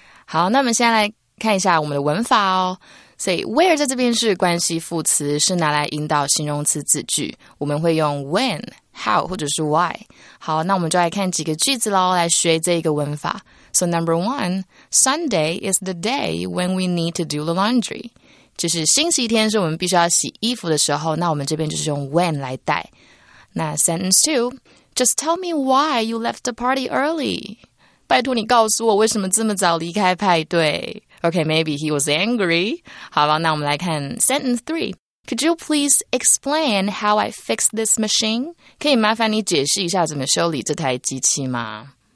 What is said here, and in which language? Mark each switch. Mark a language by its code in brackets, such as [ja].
[zh] 好，那我们先来看一下我们的文法哦。所以 where 在这边是关系副词，是拿来引导形容词子句。我们会用 when、how 或者是 why。好，那我们就来看几个句子喽，来学这个文法。 [en] So number one, Sunday is the day when we need to do the laundry. [zh] 就是星期天是我们必须要洗衣服的时候，那我们这边就是用 when 来带。 [en] 那 sentence two,Just tell me why you left the party early. [zh] 拜托你告诉我为什么这么早离开派对。 [en] Okay, maybe he was angry. [zh] 好吧，那我们来看 [en] sentence 3. Could you please explain how I fixed this machine? [zh] 可以麻烦你解释一下怎么修理这台机器吗？